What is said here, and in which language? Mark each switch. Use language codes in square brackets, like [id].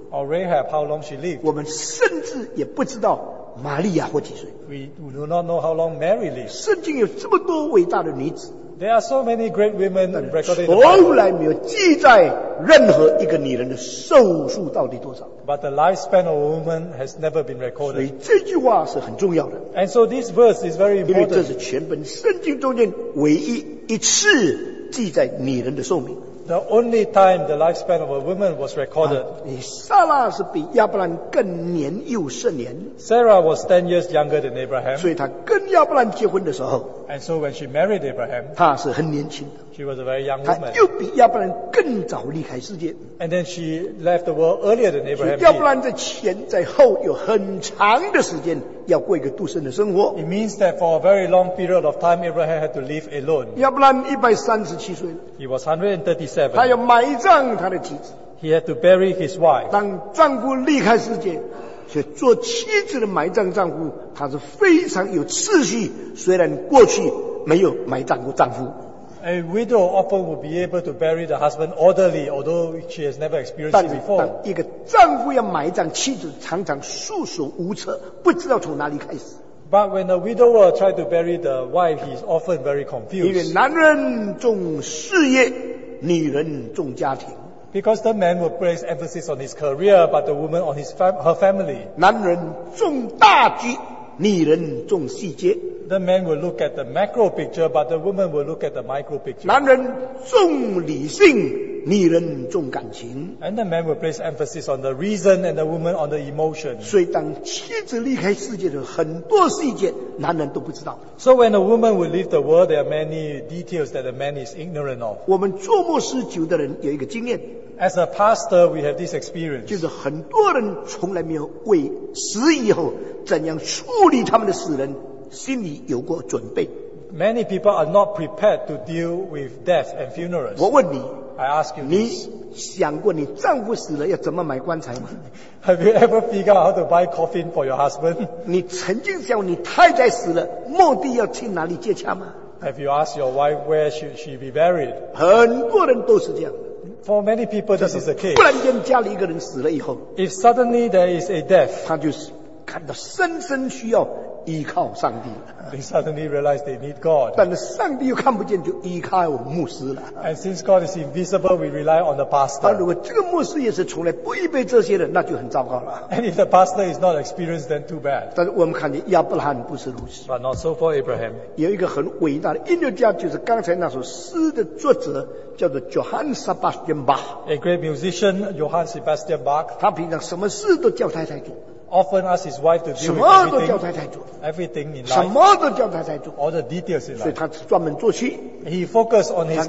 [en] Or Rahab, how long she lived. [zh] 我们甚至也不知道玛利亚活几岁。 [en] We do not know how long Mary lived. [zh] 圣经有这么多伟大的女子。 [en] There are so many great women recorded. [zh] 从来没有记载任何一个女人的寿数到底多少。 [en] But the lifespan of a woman has never been recorded. [zh] 所以这句话是很重要的。 [en] And so this verse is very important. [zh] 因为这是全本圣经中间唯一一次记载女人的寿命。 [en] The only time the lifespan of a woman was recorded. [zh] 撒拉是比亚伯兰更年幼甚年。 [en] Sarah was 10 years younger than Abraham. [zh] 所以她跟亚伯兰结婚的时候。 [en] And so when she married Abraham. [zh] 她是很年轻的。 [en] She was a very young woman. [zh] 她又比亚伯兰更早离开世界。 [en] And then she left the world earlier than Abraham. [zh] 亚伯兰在前在后有很长的时间要过一个独身的生活。 [en] It means that for a very long period of time, Abraham had to live alone. [zh] 亚伯兰137岁。 [en] He was 137. [zh] 他要埋葬他的妻子。 [en] He had to bury his wife. [zh] 当丈夫离开世界，却做妻子的埋葬丈夫，他是非常有次序。虽然过去没有埋葬过丈夫。 [en] A widow often would be able to bury the husband orderly, although she has never experienced it before. [zh] 但是当一个丈夫要埋葬妻子，常常束手无策，不知道从哪里开始。 [en] But when a widower tried to bury the wife, he is often very confused. [zh] 因为男人重事业，女人重家庭。 [en] Because the man would place emphasis on his career, but the woman on her family. [zh] 男人重大局，女人重细节。 [en] The man will look at the macro picture, but the woman will look at the micro picture. [zh] 男人重理性，女人重感情。 [en] And the man will place emphasis on the reason, and the woman on the emotion. [zh] 所以当妻子离开世界的很多细节，男人都不知道。 [en] So when a woman will leave the world, there are many details that the man is ignorant of. [zh] 我们做牧师久的人有一个经验。 [en] As a pastor, we have this experience. [zh] 就是很多人从来没有为死以后怎样处理他们的死人。心里有过准备。 [en] Many people are not prepared to deal with death and funerals. [zh] 我问你， [en] I ask you, [zh] 你想过你丈夫死了要怎么买棺材吗？ [en] Have you ever figured out how to buy coffin for your husband? [zh] 你曾经想你太太死了，墓地要去哪里接洽吗？ [en] Have you asked your wife where should she be buried? [zh] 很多人都是这样。 [en] For many people, this is the case. [zh] 突然间家里一个人死了以后， [en] if suddenly there is a death, [zh] 他就是看到深深需要。依靠上帝。 [en] They suddenly realize they need God. [zh] 但是上帝又看不见，就依靠我牧师了。 [en] And since God is invisible, we rely on the pastor. [zh] 但如果这个牧师也是从来不预备这些的，那就很糟糕了。 [en] And if the pastor is not experienced, then too bad. [zh] 但是我们看见亚伯兰不是如此。 [en] But not so for Abraham. [zh] 有一个很伟大的音乐家，就是刚才那首诗的作者，叫做 Johann Sebastian Bach. [en] A great musician, Johann Sebastian Bach. [zh] 他平常什么事都叫太太做。 [en] Often ask his wife to deal with everything in life. [zh] 什么都叫太太做。 [en] All the details in life. [zh] 所以他专门作曲。 [en] He focused on his composition.